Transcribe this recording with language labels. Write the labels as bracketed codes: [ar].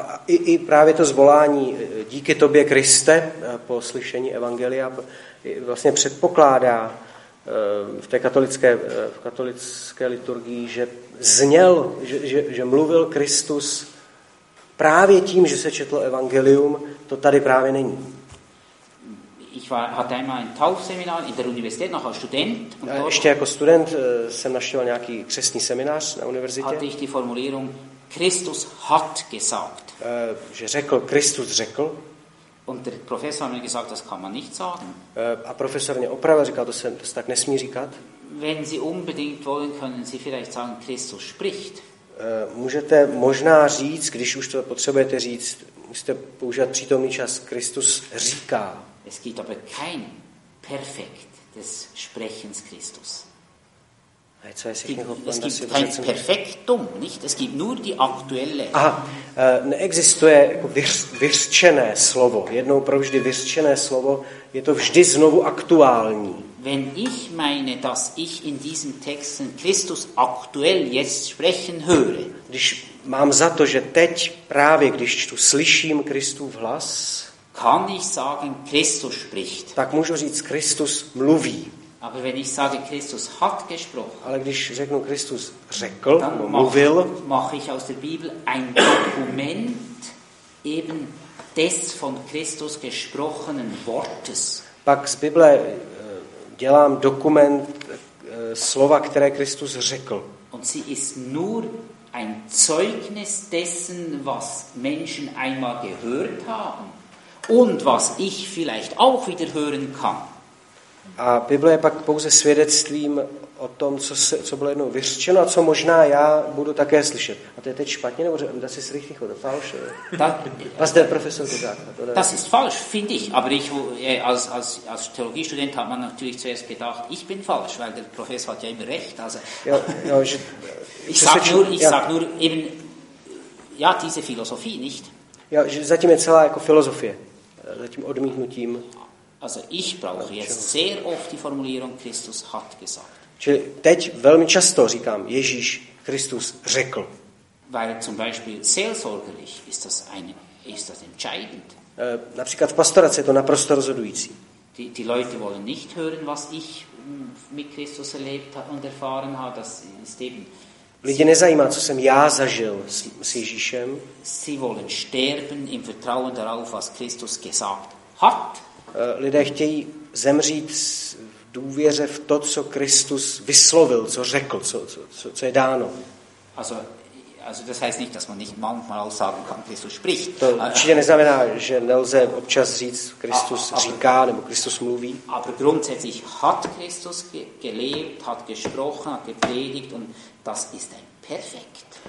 [cs] I právě to zvolání díky tobě Kriste po slyšení Evangelia vlastně předpokládá v té katolické liturgii, že zněl, že mluvil Kristus právě tím, že se četlo evangelium, to tady právě není. [de] Hatte einmal ein Taufseminar in der Universität noch als Student. [cs] Und ještě jako student jsem navštěvil nějaký křestní seminář na univerzitě. [de] Hatte ich die Formulierung Christus hat gesagt. [cs] Že řekl, Kristus řekl. [de] Und der Professor hat mir gesagt, das kann man nicht sagen. [cs] A profesor mě opravil, říkal, to se tak nesmí říkat. [de] Wenn Sie unbedingt wollen, können Sie vielleicht sagen, Christus spricht. [cs] Můžete možná říct, když už to potřebujete říct, musíte používat přítomný čas, Kristus říká. [de] Es gibt aber kein Perfekt des Sprechens Christus. Es gibt kein Perfektum, nicht? Es gibt nur die aktuelle. [cs] Neexistuje jako vyřčené slovo, jednou pro vždy vyřčené slovo, je to vždy znovu aktuální. [de] Wenn ich meine, dass ich in diesen Texten Christus aktuell jetzt sprechen höre. [cs] Když mám za to, že teď právě, když čtu, slyším Kristův hlas, [de] kann ich sagen, Christus spricht. [cs] Tak můžu říct, Kristus mluví. [de] Aber wenn ich sage, Christus hat gesprochen, [cs] ale když řeknu, Kristus řekl, mluvil, [de] mache ich aus der Bibel ein Dokument eben des von Christus gesprochenen Wortes. [cs] Pak z Bible dělám dokument slova, které Kristus řekl. [de] Und sie ist nur ein Zeugnis dessen, was Menschen einmal gehört haben und was ich vielleicht auch wieder hören kann. [cs] A Bible je pak pouze svědectvím o tom, co bylo jednou vyřčeno a co možná já budu také slyšet. A to je teď špatně, nebo [de] das ist richtig oder falsch? Was der Professor gesagt hat, oder? Das ist falsch, finde ich. Aber ich, als Theologiestudent hat man natürlich zuerst gedacht, ich bin falsch, weil der Professor hat ja immer recht. Also, ich sag nur eben, diese Philosophie, nicht? [cs] Ja, že zatím je celá jako filozofie. Zatím odmítnutím. [de] Also ich brauche jetzt sehr oft die Formulierung Christus hat gesagt. [cs] Čili teď velmi často říkám Ježíš Kristus řekl. [de] Weil zum Beispiel seelsorgerlich ist das entscheidend. [cs] Například v pastoraci je to naprosto rozhodující. [de] Die Leute wollen nicht hören, was ich mit Christus erlebt und erfahren habe, das ist eben. [cs] Lidi nezajímá, co jsem já zažil s Ježíšem. [de] Sie wollen sterben im Vertrauen darauf, was Christus gesagt hat. [cs] Lidé chtějí zemřít v důvěře v to, co Kristus vyslovil, co řekl, co je dáno. [de] Also das heißt nicht, dass man nicht manchmal aussagen kann, Christus spricht. [cs] To určitě neznamená, že nelze občas říct, Kristus říká nebo Kristus mluví. [de] Aber grundsätzlich hat Christus gelebt, hat gesprochen, hat gepredigt und das ist ein perfekt.